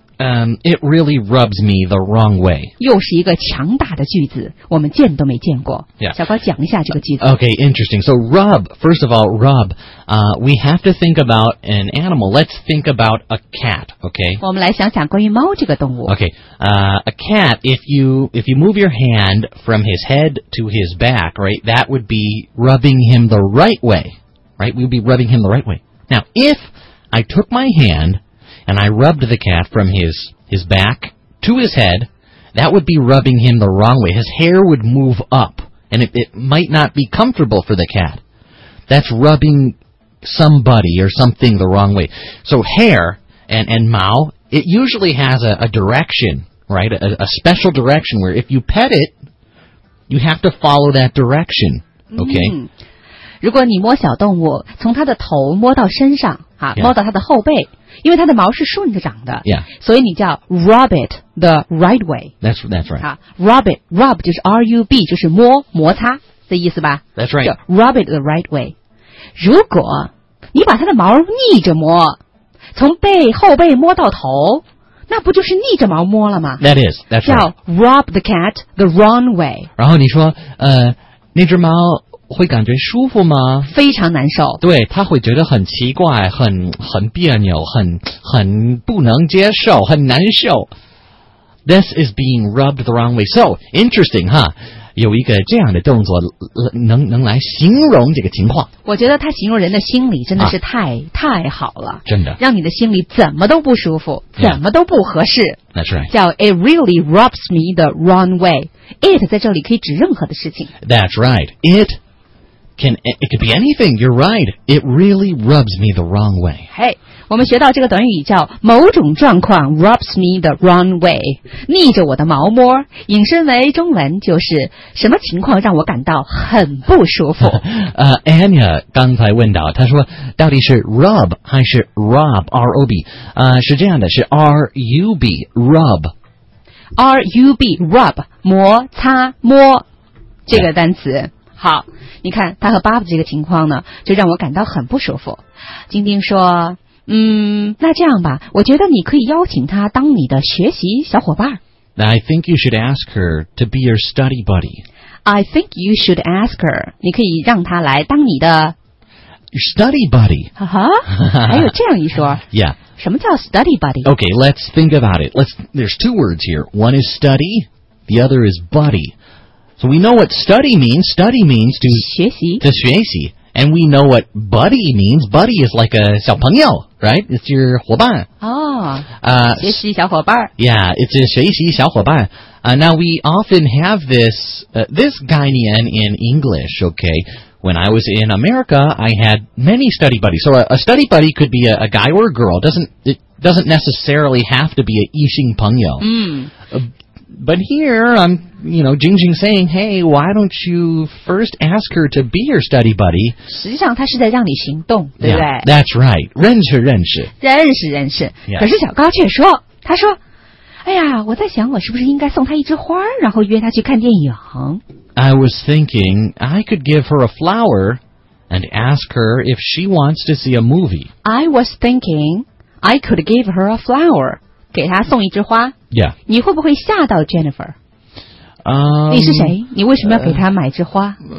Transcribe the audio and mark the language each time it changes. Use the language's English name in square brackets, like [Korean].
[English] It really rubs me the wrong way. [Chinese] 又是一个强大的句子，我们见都没见过。 [English] Yeah. [Chinese] 小高讲一下这个句子。 [English] Okay, interesting. So rub, first of all, rub. We have to think about an animal. Let's think about a cat. Okay. [Chinese] 我们来想想关于猫这个动物。 [English] Okay. A cat. If you move your hand from his head to his back, right? That would be rubbing him the right way. Right? We'd be rubbing him the right way. Now, if I took my hand. And I rubbed the cat from his back to his head, that would be rubbing him the wrong way. His hair would move up, and it might not be comfortable for the cat. That's rubbing somebody or something the wrong way. So hair and Mao, it usually has a direction, right? A special direction where if you pet it, you have to follow that direction, okay? Mm-hmm. [Chinese] 如果你摸小动物，从它的头摸到身上，啊，摸到它的后背，因为它的毛是顺着长的 [English] yeah. [Chinese] 所以你叫 [English] rub it the right way. That's right.、 [Chinese] 啊、 [English] rub it, [Chinese] rub 就是 R-U-B, 就是摸摩擦的意思吧。 [English] That's right. Rub it the right way. [Chinese] 如果你把它的毛逆着摸，从背后背摸到头，那不就是逆着毛摸了吗？ [English] That is, that's right. [Chinese] 叫 [English] rub the cat the wrong way. [Chinese] 然后你说那只毛会感觉舒服吗？非常难受。对，他会觉得很奇怪，很别扭，很不能接受，很难受。 This is being rubbed the wrong way. So interesting, 哈、huh? ，有一个这样的动作，能来形容这个情况。我觉得他形容人的心理真的是太好了，真的，让你的心里怎么都不舒服，怎么都不合适。 [English] That's right. [Chinese] 叫 [English] It really rubs me the wrong way. [Chinese] It 在这里可以指任何的事情。 [English] That's right. It could be anything. You're right. It really rubs me the wrong way. [Chinese] Hey, 我们学到这个短语叫某种状况 [English] rubs me the wrong way. [Chinese] 逆着我的毛摸，引申为中文就是什么情况让我感到很不舒服。 Anya 刚才问到，她说到底是 rub 还是 rob? R-O-B. 是这样的，是 R-U-B. Rub. R-U-B. Rub. 摩擦摸这个单词。Yeah. 好，你看他和爸爸这个情况呢，就让我感到很不舒服。晶晶说，那这样吧，我觉得你可以邀请他当你的学习小伙伴。 [English] I think you should ask her to be your study buddy. I think you should ask her. [Chinese] 你可以让他来当你的 [English] your study buddy. [Chinese] 哈哈，还有这样一说。 [English] Yeah. [Chinese] 什么叫 study buddy? [English] Okay, let's think about it. There's two words here. One is study, the other is buddy. So we know what study means. Study means to [Chinese] 学习 [English] to 学习 And we know what buddy means. Buddy is like a 小朋友 right? It's your 伙伴 [Chinese] 学习小伙伴 [English] Yeah, it's a 学习小伙伴 Now we often have this, this 概念in English, okay? When I was in America, I had many study buddies. So a study buddy could be a guy or a girl. It doesn't necessarily have to be a 异性朋友 But here, I'm, you know, Jing Jing saying, hey, why don't you first ask her to be your study buddy? [Chinese] 实际上她是在让你行动，对不对 [English] yeah, That's right. [Chinese] 认识认识。认识认识。 [English] Yeah. [Chinese] 可是小高却说，他说，哎呀，我在想我是不是应该送她一枝花，然后约她去看电影。 [English] I was thinking I could give her a flower and ask her if she wants to see a movie. I was thinking I could give her a flower. [Chinese] 给他送一枝花 [English] Yeah. [Chinese] 你会不会吓到 Jennifer? 你是谁你为什么要给他买枝花